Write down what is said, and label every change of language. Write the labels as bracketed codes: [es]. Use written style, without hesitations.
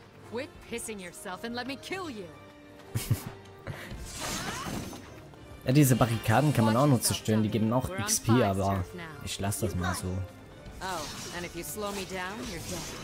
[en] Quit pissing yourself and let me kill you. [de] Ja, diese Barrikaden kann man auch noch zerstören, die geben auch XP, aber ich lasse das mal so. [en] Oh, and if you slow me down, you're dead.